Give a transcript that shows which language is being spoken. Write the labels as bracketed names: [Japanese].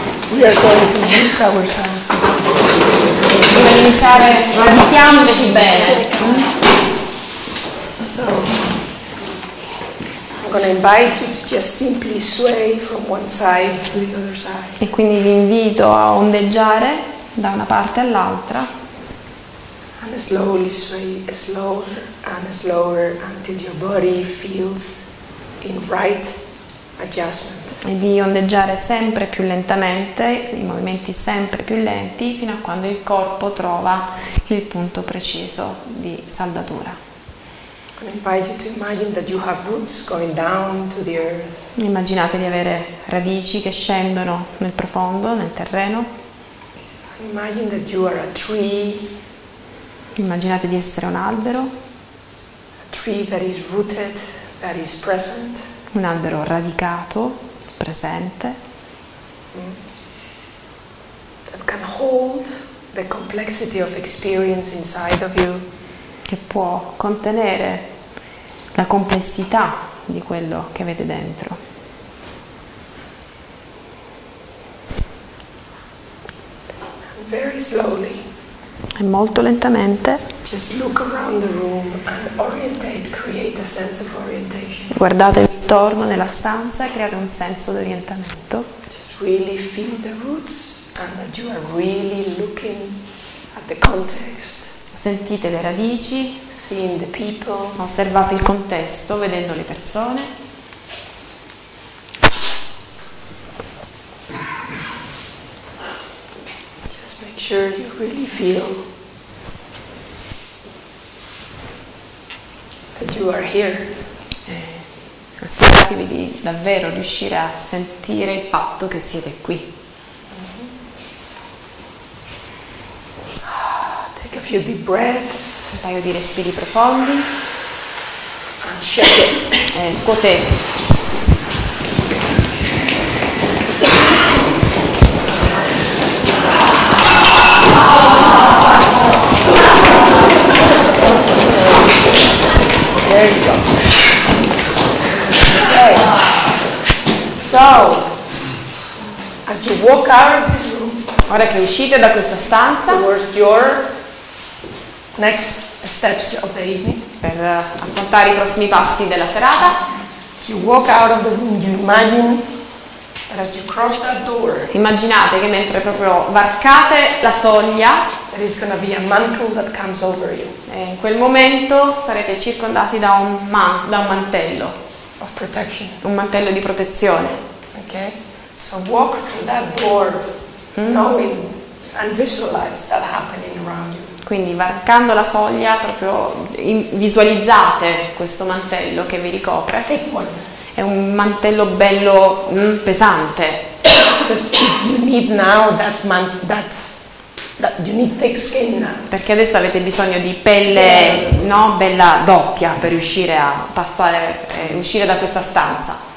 [English] We are going to meet ourselves. [Italian] Per iniziare, meditiamoci bene. [English] So, I'm going to invite you to just simply sway from one side to the other side. [Italian] E quindi vi invito a ondeggiare da una parte all'altra. [English] And slowly sway slower and slower until your body feels in right adjustment. [Italian] e di ondeggiare sempre più lentamente, i movimenti sempre più lenti, fino a quando il corpo trova il punto preciso di saldatura. [English] I invite you to imagine that you have roots going down to the earth. [Italian] Immaginate di avere radici che scendono nel profondo, nel terreno. [English] Imagine that you are a tree. [Italian] Immaginate di essere un albero. [English] A tree that is rooted, that is present. [Italian] Un albero radicato, presente. [English] That can hold the complexity of experience inside of you. [Italian] Che può contenere la complessità di quello che avete dentro. [English] Very slowly. [Italian] E molto lentamente. [English] Just look around the room and orientate, create a sense of orientation. [Italian] Guardate intorno nella stanza e create un senso di orientamento. [English] Just really feel the roots and that you are really looking at the context. [Italian] Sentite le radici, [English] seeing the people, [Italian] osservate il contesto vedendo le persone. [English] Just make sure you really feel that you are here. [Italian] Assicuratevi di davvero riuscire a sentire il fatto che siete qui. [English] A few deep breaths, [Italian] un paio di respiri profondi, [English] and shake it. [Italian] E scuotete. [English] There you go. Okay. So, as you walk out of this room, [Italian] ora che uscite da questa stanza, [English] towards your next steps of the evening, [Italian] per affrontare i prossimi passi della serata. [English] So you walk out of the room, you imagine that as you cross that door, [Italian] immaginate che mentre proprio varcate la soglia, [English] there is gonna be a mantle that comes over you. [Italian] E in quel momento sarete circondati da un mantello [English] of protection, [Italian] un mantello di protezione. [English] Okay, so walk through that door, knowing and visualize that happening around you. [Italian] Quindi varcando la soglia proprio visualizzate questo mantello che vi ricopre. È un mantello bello pesante. [English] You need now that you need thick skin now. [Italian] Perché adesso avete bisogno di pelle, no, bella doppia per riuscire a passare, uscire da questa stanza.